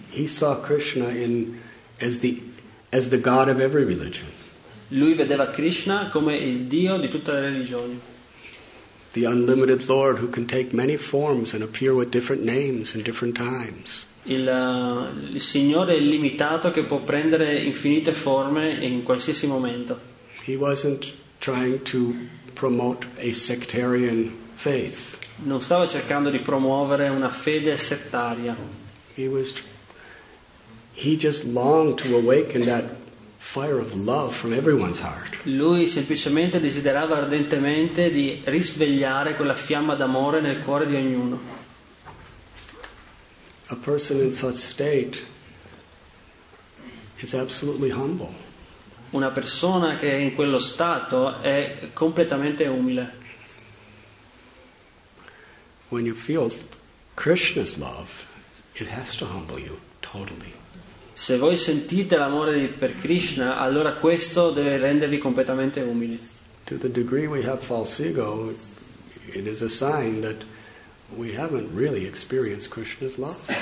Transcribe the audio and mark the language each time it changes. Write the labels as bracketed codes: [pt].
[en] He saw Krishna as the God of every religion. [it] Lui vedeva Krishna come il Dio di tutte le religioni. [en] The unlimited Lord who can take many forms and appear with different names in different times. [it] Il Signore illimitato che può prendere infinite forme in qualsiasi momento. [en] He wasn't trying to promote a sectarian faith. [it] Non stava cercando di promuovere una fede settaria. [en] He just longed to awaken that fire of love from everyone's heart. [it] Lui semplicemente desiderava ardentemente di risvegliare quella fiamma d'amore nel cuore di ognuno. [en] A person in such state is absolutely humble. [it] Una persona che è in quello stato è completamente umile. [en] When you feel Krishna's love, it has to humble you totally. [it] Se voi sentite l'amore per Krishna, allora questo deve rendervi completamente umili. [en] To the degree we have false ego, it is a sign that we haven't really experienced Krishna's love.